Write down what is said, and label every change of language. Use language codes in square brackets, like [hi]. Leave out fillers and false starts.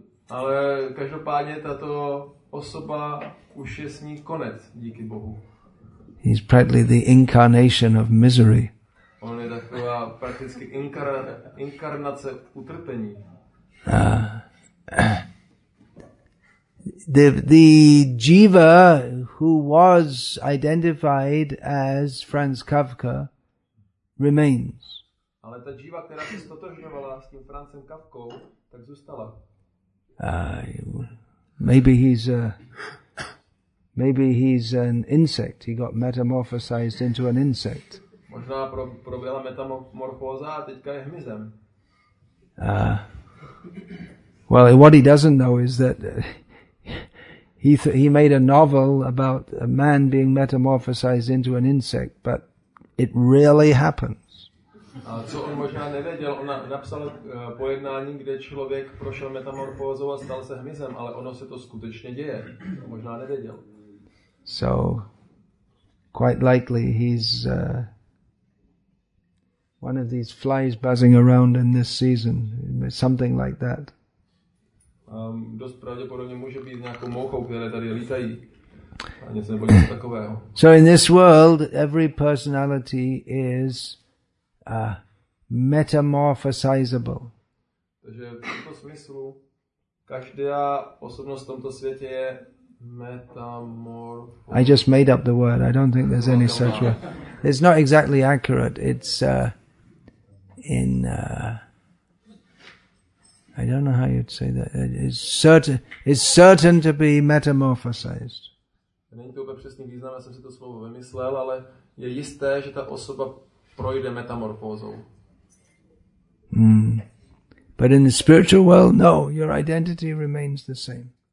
[cs] Ale každopádně tato osoba už je s ní konec, díky Bohu. [en] He's practically the incarnation of misery. [cs] On je taková prakticky inkarnace utrpení. [en] The jiva who was identified as Franz Kafka remains. [cs] Ale ta jiva, která se stotožňovala s tím Francem Kafkou, tak zůstala. [en] Maybe he's an insect. He got metamorphosized into an insect. [cs] Možná proběhla metamorfóza a teďka je hmyzem. [en] Well, what he doesn't know is that he made a novel about a man being metamorphosized into an insect, but it really happened. [cs] A co on možná nevěděl, on napsal pojednání, kde člověk prošel metamorfózou a stal se hmyzem, ale ono se to skutečně děje. On možná nevěděl. [en] So, quite likely he's one of these flies buzzing around in this season, something like that. [cs] Dost pravděpodobně může být nějakou mouchou, které tady lítají. A něco nebo takového. [en] So in this world, every personality is metamorphosizable. [cs] Takže v tomto smyslu každá osobnost v tomto světě je metamorfosizable. [en] I just made up the word. I don't think there's any such word. It's not exactly accurate. It's I don't know how you'd say that. It's certain to be metamorphosized. [cs] Není to úplně přesný význam, já jsem si to slovo vymyslel, ale je jisté, že ta osoba projde metamorfózou. Mm. [en] But in the spiritual world, no, your identity remains the same.